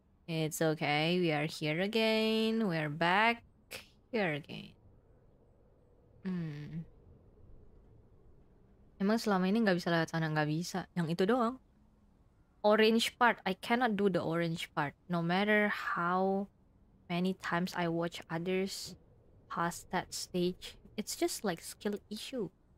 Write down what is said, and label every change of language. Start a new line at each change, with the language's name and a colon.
English: It's okay, we are here again, we're back here again.
Indonesian: Emang selama ini gak bisa lewat sana, gak bisa. Yang itu doang.
English: Orange part, I cannot do the orange part. No matter how many times I watch others pass that stage, it's just like skill issue.